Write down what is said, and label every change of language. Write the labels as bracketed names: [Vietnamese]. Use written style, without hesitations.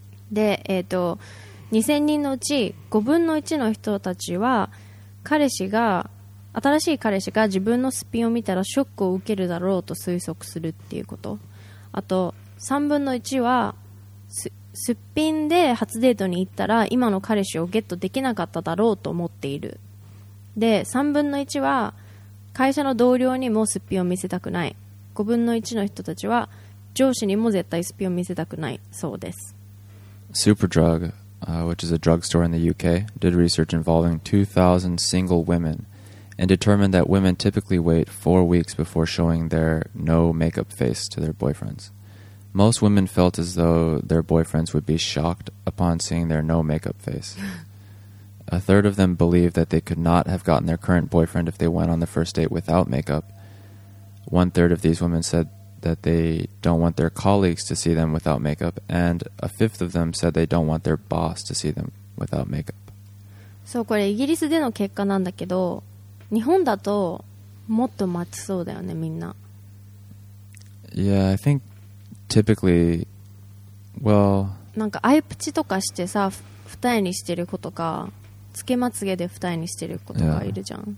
[Japanese] で、2000人のうち5分の1の人たちは新しい彼氏が自分のすっぴんを見たらショックを受けるだろうと推測するっていうこと、あと3分の1はすっぴんで初デートに行ったら今の彼氏をゲットできなかっただろうと思っている、で3分の1は会社の同僚にもすっぴんを見せたくない、5分の1の人たちは上司にも絶対すっぴんを見せたくないそうです。 [English] Superdrug、which is a drugstore in the UK, did research involving 2,000 single women and determined that women typically wait 4 weeks before showing their no makeup face to their boyfriends. Most women felt as though their boyfriends would be shocked upon seeing their no makeup face. A third of them believed that they could not have gotten their current boyfriend if they went on the first date without makeup. One third of these women said that they don't want their colleagues to see them without makeup. And a fifth of them said they don't want their boss to see them without makeup. [Japanese] そう、これイギリスでの結果なんだけど、日本だともっと待ちそうだよね、みんな。 [English] Yeah, I thinktypically, well, [Japanese] なんかアイプチとかしてさ、二重にしてる子とか、つけまつげで二重にしてる子とかいるじゃん。